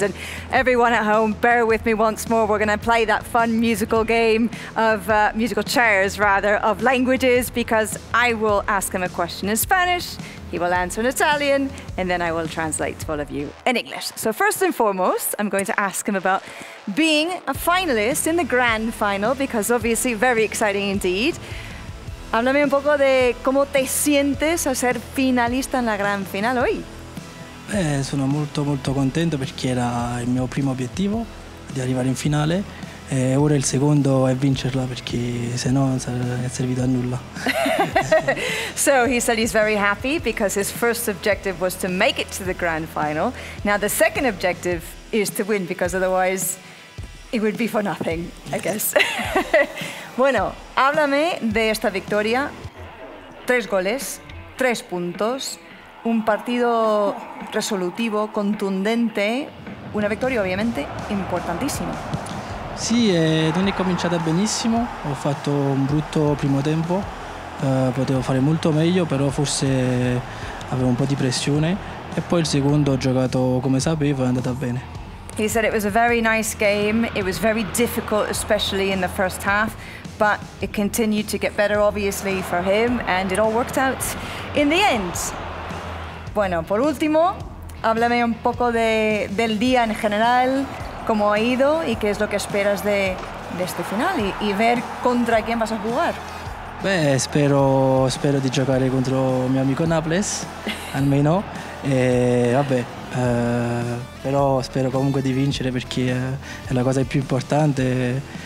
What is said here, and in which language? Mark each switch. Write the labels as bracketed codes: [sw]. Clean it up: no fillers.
[en] And everyone at home, bear with me once more. We're going to play that fun musical game of musical chairs, rather, of languages, because I will ask him a question in Spanish, he will answer in Italian, and then I will translate to all of you in English. So first and foremost, I'm going to ask him about being a finalist in the grand final, because obviously very exciting indeed. [es] Háblame un poco de cómo te sientes al ser finalista en la gran final hoy. [it] Sono molto molto contento perché era il mio primo obiettivo di arrivare in finale. Ora il secondo è vincerla perché se no non sarebbe servito a nulla. [en] So he said he's very happy because his first objective was to make it to the grand final. Now the second objective is to win because otherwise it would be for nothing, I guess. [es] Bueno, háblame de esta victoria. 3 goles, 3 puntos, un partido resolutivo, contundente, una victoria [it] ovviamente importantissima. Sì, non è cominciata benissimo, ho fatto un brutto primo tempo, potevo fare molto meglio, però forse avevo un po' di pressione e poi il secondo ho giocato come sapevo e è andata bene. [en] He said it was a very nice game, it was very difficult, especially in the first half, but it continued to get better, obviously, for him, and it all worked out in the end. [es] Bueno, por último, háblame un poco del día en general, cómo ha ido y qué es lo que esperas de, de este final y ver contra quién vas a jugar. [it] Beh, spero di giocare contro mio amico Naples, almeno. E vabbè, però spero comunque di vincere perché è la cosa più importante.